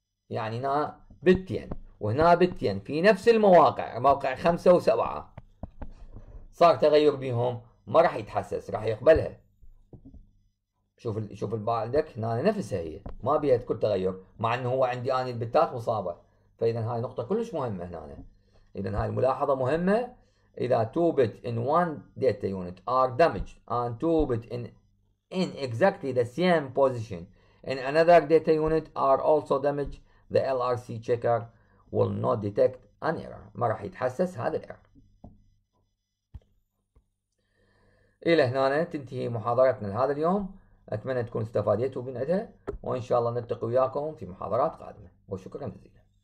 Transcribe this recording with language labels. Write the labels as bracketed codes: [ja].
[ar] يعني هنا بتين وهنا بتين في نفس المواقع، موقع 5 و7 صار تغير بهم، ما راح يتحسس، راح يقبلها. شوف شوف البار عندك هنا نفسها، هي ما بيها تكون تغير، مع انه هو عندي اني البتات مصابه. فاذا هاي نقطه كلش مهمه هنا، اذا هاي الملاحظه مهمه. [en] اذا 2 bit in one data unit are damaged and 2 bit in exactly the same position in another data unit are also damaged, the LRC checker will not detect an error. [ar] ما راح يتحسس هذا الايرور. الى هنا تنتهي محاضرتنا لهذا اليوم، اتمنى تكون استفاديتوا من عدها، وان شاء الله نلتقي وياكم في محاضرات قادمه، وشكرا جزيلا.